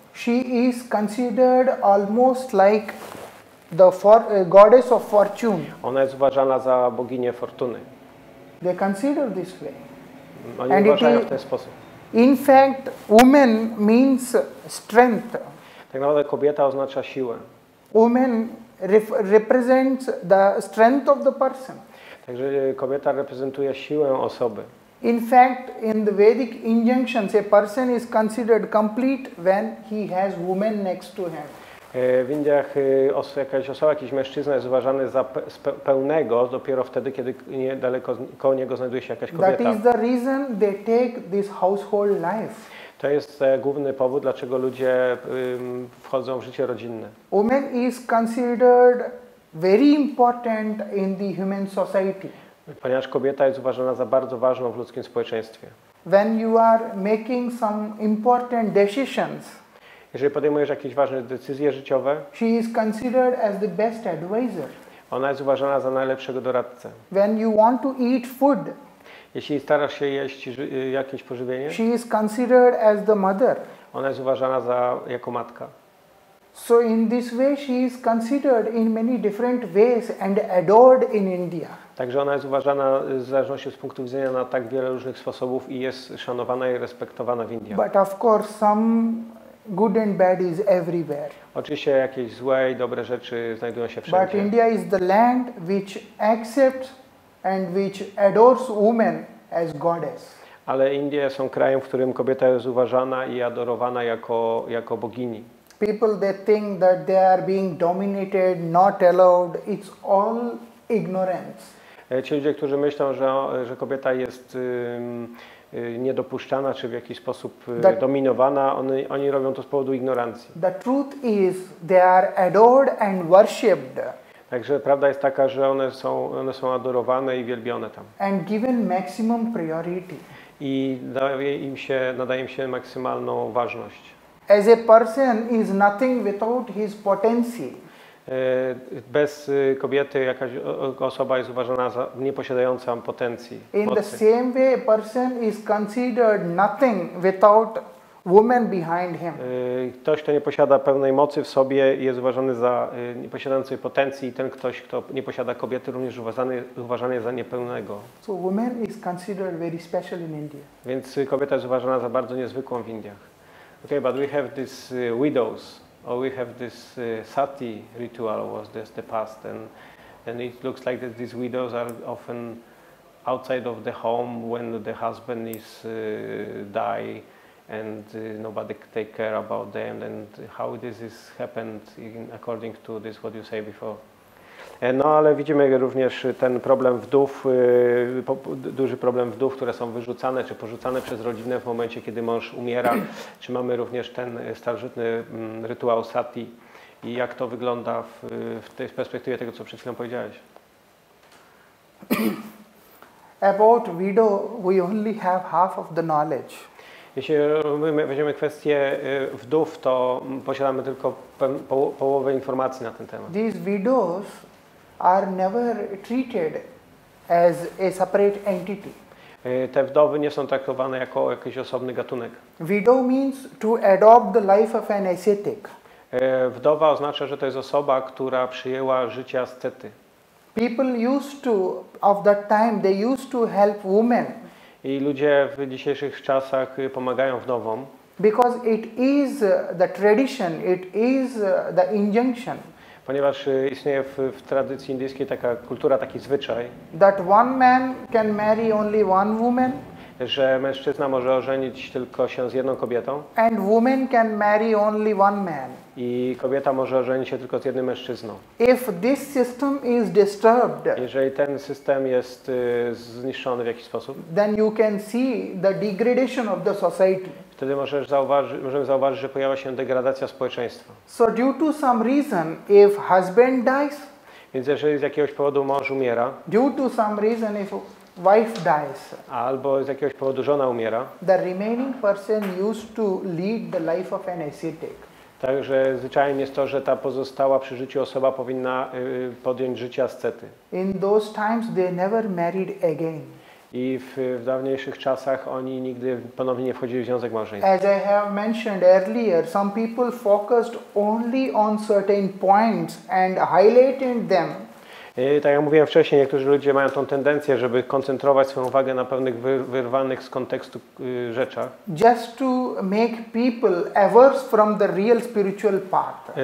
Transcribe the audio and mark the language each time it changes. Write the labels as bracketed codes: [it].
[en] She is considered almost like the goddess of fortune. [pl] Ona jest uważana za boginię fortuny. [en] They consider this way. [pl] Oni and uważają w ten sposób. [en] In fact, woman means strength. [pl] Tak naprawdę kobieta oznacza siłę. [en] Woman represents the strength of the person. [pl] Także kobieta reprezentuje siłę osoby. [en] In fact, in the Vedic injunctions, a person is considered complete when he has woman next to him. [pl] W Indiach jakaś osoba, jakiś mężczyzna jest uważany za pełnego dopiero wtedy, kiedy niedaleko koło niego znajduje się jakaś kobieta. [en] That is the reason they take this household life. [pl] To jest główny powód, dlaczego ludzie wchodzą w życie rodzinne. [en] Woman is considered very important in the human society. [pl] Ponieważ kobieta jest uważana za bardzo ważną w ludzkim społeczeństwie. [en] When you are making some important decisions. [pl] Jeżeli podejmujesz jakieś ważne decyzje życiowe, [en] she is considered as the best advisor. [pl] Ona jest uważana za najlepszego doradcę. [en] When you want to eat food, [pl] jeśli starasz się jeść jakieś pożywienie, [en] she is considered as the mother. [pl] Ona jest uważana za jako matka. [en] So in this way she is considered in many different ways and adored in India. [pl] Także ona jest uważana w zależności z punktu widzenia na tak wiele różnych sposobów i jest szanowana i respektowana w Indiach. [en] But of course some good and bad is everywhere. [pl] Oczywiście jakieś złe i dobre rzeczy znajdują się wszędzie. [en] But India is the land which accepts and which adores woman as goddess. [pl] Ale Indie są krajem, w którym kobieta jest uważana i adorowana jako bogini. [en] People they think that they are being dominated, not allowed. It's all ignorance. [pl] Ci ludzie, którzy myślą, że kobieta jest niedopuszczana, czy w jakiś sposób dominowana, oni robią to z powodu ignorancji. [en] The truth is, they are adored and worshipped. [pl] Także prawda jest taka, że one są adorowane i wielbione tam. [en] And given maximum priority. [pl] I nadaje im się maksymalną ważność. [en] As a person is nothing without his potential. [pl] Bez kobiety jakaś osoba jest uważana za nieposiadającą potencji. [en] In the same way, a person is considered nothing without woman behind him. [pl] Ktoś, kto nie posiada pewnej mocy w sobie, jest uważany za nieposiadający potencji, i ten ktoś, kto nie posiada kobiety, również uważany jest za niepełnego. [en] So woman is considered very special in India. [pl] Więc kobieta jest uważana za bardzo niezwykłą w Indiach. [en] Okay, but we have these widows. Or we have this sati ritual was this the past, and it looks like that these widows are often outside of the home when the husband is die and nobody take care about them, and how this is happened in, according to this what you say before. [pl] No ale widzimy również ten problem wdów, duży problem wdów, które są wyrzucane czy porzucane przez rodzinę w momencie, kiedy mąż umiera. Czy mamy również ten starożytny rytuał sati i jak to wygląda w tej perspektywie tego, co przed chwilą powiedziałeś? [en] About widow, we only have half of the knowledge. [pl] Jeśli weźmiemy kwestię wdów, to posiadamy tylko połowę informacji na ten temat. [en] These widows are never treated as a separate entity. [pl] Te wdowy nie są traktowane jako jakiś osobny gatunek. [en] Widow means to adopt the life of an ascetic. [pl] Wdowa oznacza, że to jest osoba, która przyjęła życie ascety. [en] People used to, of that time, they used to help women. [pl] I ludzie w dzisiejszych czasach pomagają wdowom. [en] Because it is the tradition, it is the injunction. [pl] Ponieważ istnieje w tradycji indyjskiej taka kultura, taki zwyczaj. [en] That one man can marry only one woman. [pl] Że mężczyzna może ożenić tylko się z jedną kobietą. [en] And woman can marry only one man. [pl] I kobieta może ożenić się tylko z jednym mężczyzną. [en] If this system is disturbed. [pl] Jeżeli ten system jest zniszczony w jakiś sposób. [en] Then you can see the degradation of the society. [pl] Wtedy możemy zauważyć, że pojawia się degradacja społeczeństwa. [en] So due to some reason, if husband dies. [pl] Więc jeżeli z jakiegoś powodu mąż umiera. [en] Due to some reason, if wife dies. [pl] Albo z jakiegoś powodu żona umiera. [en] The remaining person used to lead the life of an ascetic. [pl] Także zwyczajem jest to, że ta pozostała przy życiu osoba powinna podjąć życie ascety. [en] In those times they never married again. [pl] I w dawniejszych czasach oni nigdy ponownie nie wchodzili w związek małżeński. [en] As I have mentioned earlier, some people focused only on certain points and highlighted them. [pl] Tak jak mówiłem wcześniej, niektórzy ludzie mają tą tendencję, żeby koncentrować swoją uwagę na pewnych wyrwanych z kontekstu rzeczach. [en] Just to make people averse from the real spiritual path.